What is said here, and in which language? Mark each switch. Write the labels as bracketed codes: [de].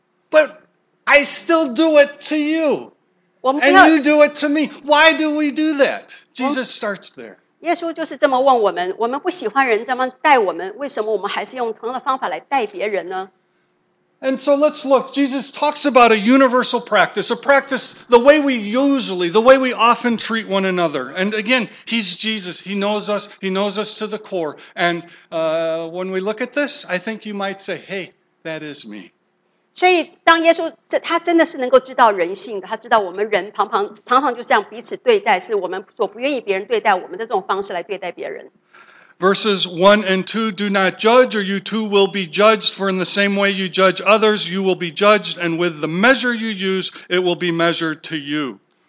[en] But I still do it to you, and you do it to me. Why do we do that? Jesus starts there. [zh] 耶稣就是这么问我们，我们不喜欢人这么待我们，为什么我们还是用同样的方法来待别人呢？ [en] And so let's look, Jesus talks about a universal practice, a practice the way we usually, the way we often treat one another. And again, he's Jesus, he knows us to the core. And when we look at this, I think you might say, hey, that is me. [zh] 所以当耶稣，他真的是能够知道人性的，他知道我们人常常就这样彼此对待，是我们所不愿意别人对待我们的这种方式来对待别人。 [en] Verses 1 and 2, do not judge, or you too will be judged, for in the same way you judge others, you will be judged, and with the measure you use, it will be measured to you.